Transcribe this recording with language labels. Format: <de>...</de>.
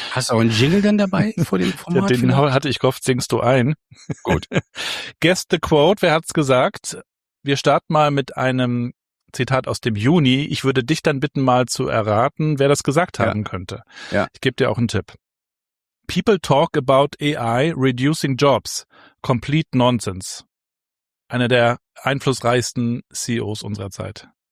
<de>Hast du auch einen Jingle denn dabei vor dem Format? Den vielleicht? Hatte ich gehofft, singst du ein. Gut.</de> <en>Guess the quote,</en> <de>wer hat's gesagt? Wir starten mal mit einem Zitat aus dem Juni. Ich würde dich dann bitten, mal zu erraten, wer das gesagt haben könnte. Ja. Ich gebe dir auch einen Tipp.</de> <en>People talk about AI reducing jobs. Complete nonsense.</en> <de>Einer der einflussreichsten CEOs unserer Zeit.</de>